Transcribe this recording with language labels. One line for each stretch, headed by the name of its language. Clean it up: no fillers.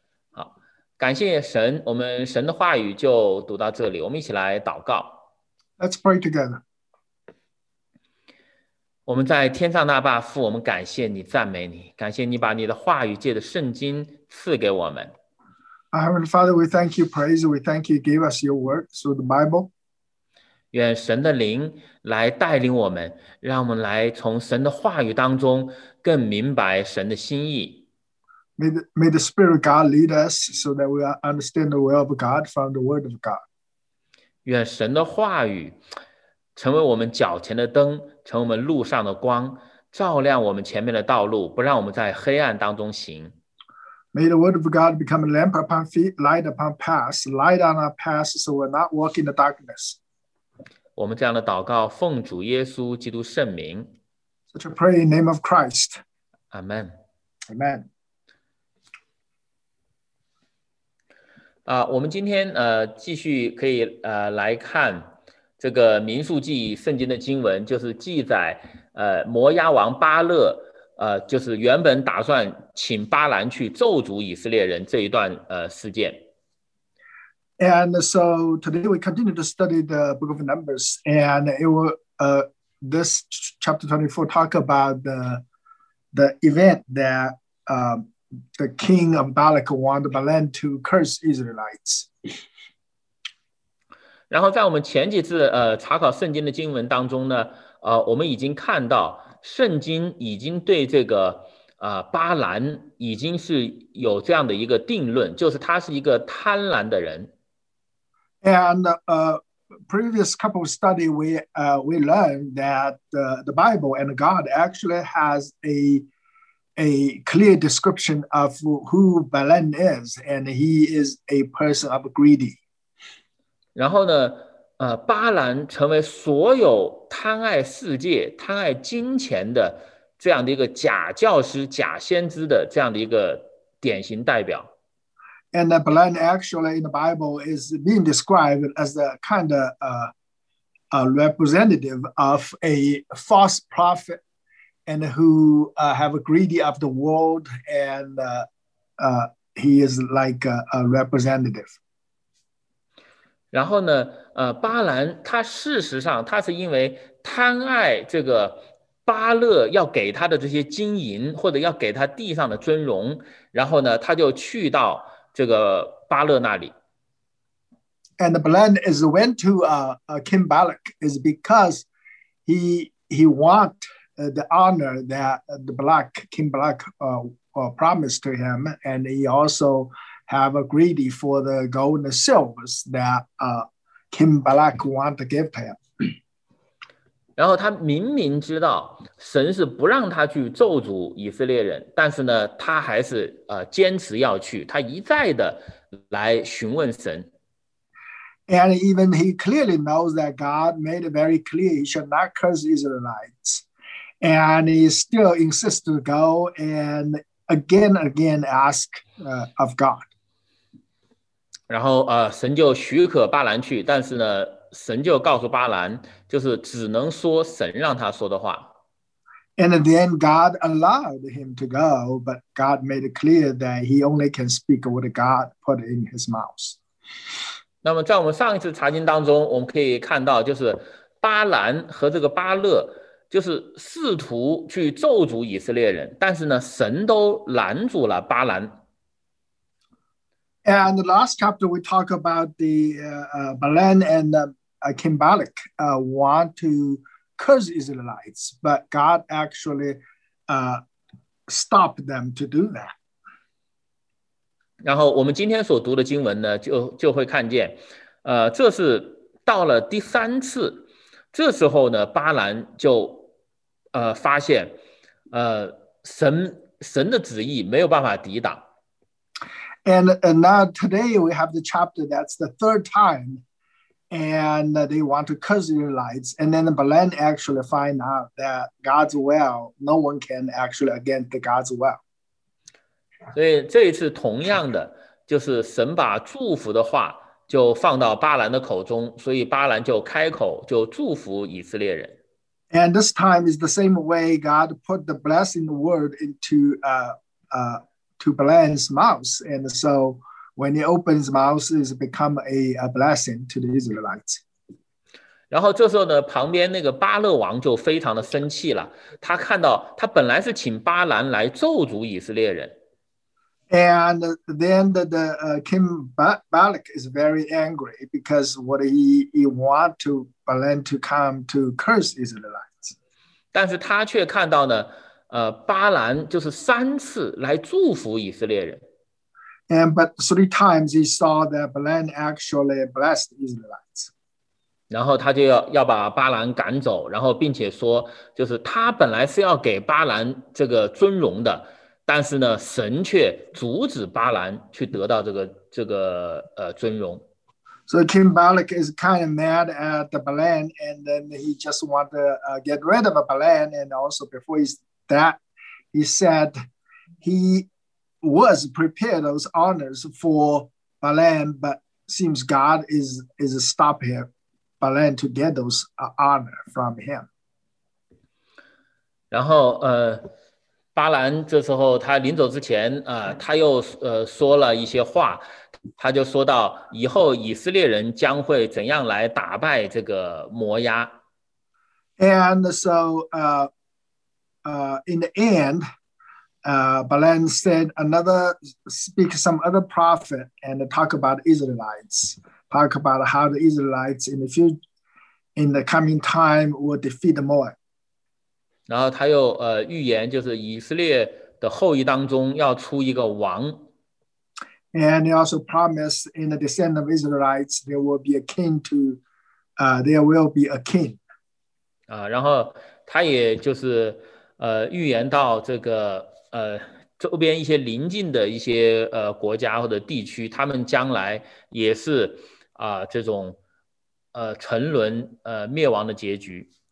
Chinese: 好，感谢神，我们神的话语就读到这里，我们一起来祷告。
English: Let's pray together.
Chinese: 我们在天上那爸父，我们感谢你，赞美你，感谢你把你的话语借着圣经赐给我们。
English: Our Heavenly Father, we thank you, praise you, we thank you, give us your word through the Bible.
Chinese: 愿神的灵来带领我们，让我们来从神的话语当中更明白神的心意。
English: May the Spirit of God lead us so that we understand the will of God from the Word of God.
Chinese: 愿神的话语成为我们脚前的灯，成为我们路上的光，照亮我们前面的道路，不让我们在黑暗当中行。
English: May the word of God become a lamp upon feet, light upon paths, light on our paths, so we're not walking in the darkness.
Chinese: 我们这样的祷告，奉主耶稣基督圣名。
English: Such a prayer in the name of Christ. Amen. Amen.
Chinese: 我们今天继续可以来看这个民数记圣经的经文，就是记载摩押王巴勒就是原本打算请巴兰去咒诅以色列人这一段事件。
English: And so today we continue to study the book of Numbers, and it will this chapter 24 talk about the event that the king of Balak wanted Balan to curse Israelites.
Chinese: 然后在我们前几次查考圣经的经文当中呢，我们已经看到圣经已经对这个巴兰已经是有这样的一个定论，就是他是一个贪婪的人。
English: And previous couple of study we learned that the Bible and God actually has a clear description of who Balan is, and he is a person of greedy.
Chinese: 然后呢，巴兰成为所有贪爱世界、贪爱金钱的这样的一个假教师、假先知的这样的一个典型代表。
English: And Balan actually in the Bible is being described as a kind of a representative of a false prophet, and who have a greedy of the world, and he is like a representative.
Chinese: 然后呢，巴兰他事实上他是因为贪爱这个巴勒要给他的这些金银或者要给他地上的尊荣，然后呢他就去到这个巴勒那里。
English: And Balan is went to King Balak is because he want the honor that the Balak King Balak promised to him, and he also. Have a greedy for the gold and the silvers that King Balak want to give him.
Chinese: 然后他明明知道神是不让他去咒诅以色列人，但是呢，他还是坚持要去。他一再的来询问神。
English: And even he clearly knows that God made it very clear he should not curse Israelites, and he still insists to go and again ask of God.
Chinese: 然后神就许可巴兰去，但是呢，神就告诉巴兰，就是只能说神让他说的话。
English: And then God allowed him to go, but God made it clear that he only can speak what God put in his mouth.
Chinese: 那么在我们上一次查经当中，我们可以看到，就是巴兰和这个巴勒，就是试图去咒诅以色列人，但是呢，神都拦阻了巴兰。
English: And the last chapter, we talk about the Balan and King Balak want to curse Israelites, but God actually stopped them to do that.
Chinese: 然后我们今天所读的经文呢，就会看见，这是到了第三次，这时候呢，巴兰就发现，神的旨意没有办法抵挡。
English: And now today we have the chapter that's the third time, and they want to curse the Israelites. And then Balan actually find out that God's will, no one can actually against God's will.
Chinese: 所以这一次同样的，就是神把祝福的话就放到巴兰的口中，所以巴兰就开口就祝福以色列人。
English: And this time is the same way God put the blessing word into to Balan's mouth, and so when he opens his mouth, it becomes a blessing to the Israelites.
Chinese: 然后这时候呢，旁边那个巴勒王就非常的生气了，他看到他本来是请巴兰来咒诅以色列人。
English: And then King Balak is very angry because what he want to Balan to come to curse Israelites.
Chinese: 但是他却看到呢，巴兰就是三次来祝福以色列人。
English: And but three times he saw that Balan actually blessed Israelites.
Chinese: 然后他就 要把巴兰赶走，然后并且说，就是他本来是要给巴兰这个尊荣的。但是呢，神却阻止巴兰去得到这个尊荣。
English: So King Balak is kind of mad at the Balan, and then he just want to get rid of Balan. And also before that, he said he was prepared those honors for Balan, but seems God is stopping Balan to get those honor from him.
Chinese: 然后巴兰这时候他临走之前他又说了一些话，他就说到以后以色列人将会怎样来打败这个摩押。
English: And so in the end, Balan said speak some other prophet and talk about Israelites, talk about how the Israelites in the coming time will defeat the Moab.
Chinese: 然后他又预言，就是以色列的后裔当中要出一个王。
English: And he also promised in the descent of Israelites there will be a king to, there will be a king.
Chinese: 然后他也就是预言到这个周边一些邻近的一些国家或者地区，他们将来也是这种沉沦灭亡的结局。